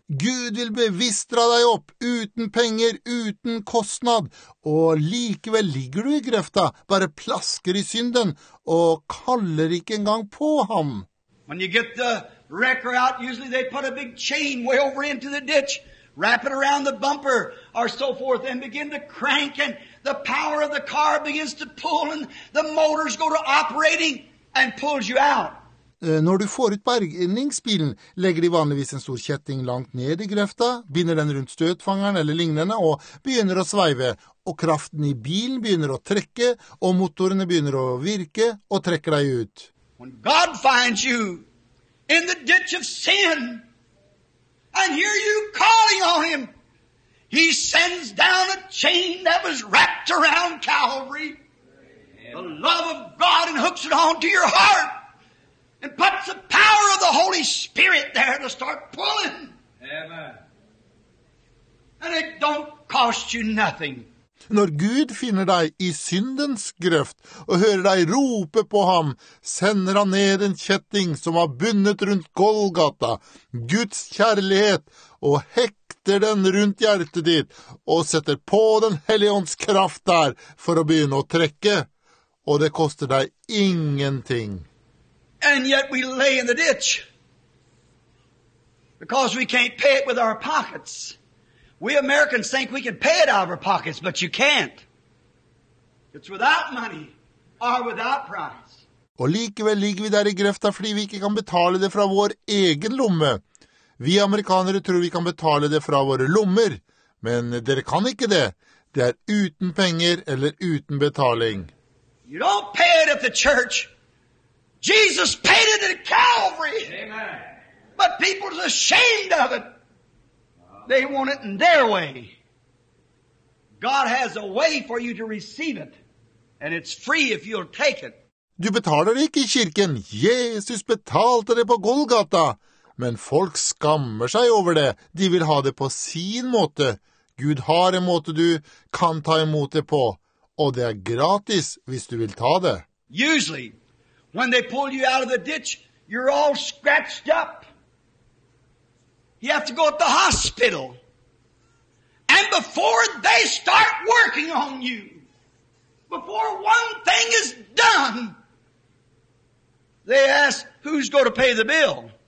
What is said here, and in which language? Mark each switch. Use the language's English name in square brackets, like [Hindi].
[Norwegian] Gud vil bevisst dra deg opp uten penger, uten kostnad, og likevel ligger du i grøfta, bare plasker i synden, og kaller ikke engang på ham. [English] When you get the wrecker out, usually they put a big chain way over into the ditch, wrap it around the bumper or so forth, and begin to crank, and the power of the car begins to pull, and the motors go to operating and pulls you out. [Norwegian] Når du får ut bergningsbilen, legger de vanligvis en stor kjetting langt ned i grøfta, binder den rundt støtfangeren eller lignende, og begynner å sveive, og kraften i bilen begynner å trekke, og motorene begynner å virke og trekker deg ut. [English] When God finds you in the ditch of sin, and hear you calling on him, he sends down a chain that was wrapped around Calvary, the love of God, and hooks it onto your heart. And puts the power of the Holy Spirit there to start pulling. Amen. And it don't cost you nothing. [Norwegian] Når Gud finner deg i syndens grøft og hører deg rope på ham, sender han ned en kjetting som har bundet rundt Golgata, Guds kjærlighet, og hekter den rundt hjertet ditt og setter på den hellige ånds kraft der for å begynne å trekke. Og det koster deg ingenting. [English] And yet we lay in the ditch because we can't pay it with our pockets. We Americans think we can pay it out of our pockets, but you can't. It's without money or without price. [Norwegian] Og likevel ligger vi der i grøfta fordi vi ikke kan betale det fra vår egen lomme. Vi amerikanere tror vi kan betale det fra våre lommer, men dere kan ikke det. Det er uten penger eller uten betaling. [English] You don't pay it at the church. Jesus paid it at Calvary. Amen. But people's ashamed of it. They want it in their way. God has a way for you to receive it. And it's free if you'll take it. [Norwegian] Du betaler ikke i kirken. Jesus betalte det på Golgata. Men folk skammer seg over det. De vil ha det på sin måte. Gud har en måte du kan ta imot det på. Og det er gratis hvis du vil ta det. [English] Usually, when they pull you out of the ditch, you're all scratched up. You have to go to the hospital. And before they start working on you, before one thing is done, they ask, who's going to pay the bill?